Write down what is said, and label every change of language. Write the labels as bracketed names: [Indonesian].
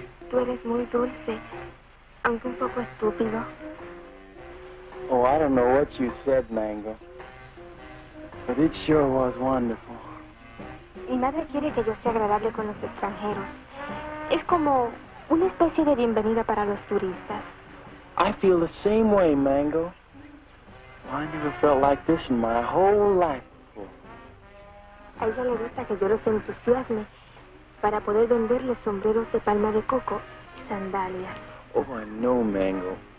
[Spanish] Tú eres muy dulce, aunque un poco estúpido. [English] Oh, I don't know what you said, Mango. But it sure was wonderful. [Spanish] Mi madre quiere que yo sea agradable con los extranjeros. Es como una especie de bienvenida para los turistas. [English] I feel the same way, Mango. Well, I never felt like this in my whole life. [Spanish] A ella le gusta que yo los entusiasme para poder venderles sombreros de palma de coco y sandalias. [English] Oh, I know, Mango.